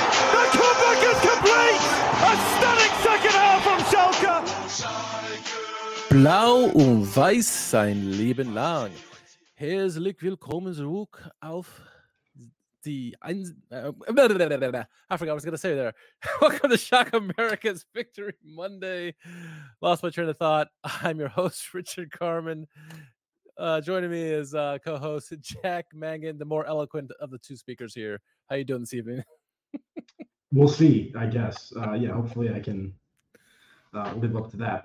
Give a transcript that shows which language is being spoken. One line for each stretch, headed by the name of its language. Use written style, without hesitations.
English: The comeback is complete! A stunning second half from Schalke!
German: Blau und weiß sein Leben lang. Herzlich willkommen zurück auf
English: Welcome to Shock America's Victory Monday. Lost my train of thought. I'm your host, Richard Carmen. Joining me is co-host Jack Mangan, the more eloquent of the two speakers here. How you doing this evening? We'll see, I guess. Hopefully I can live up to that.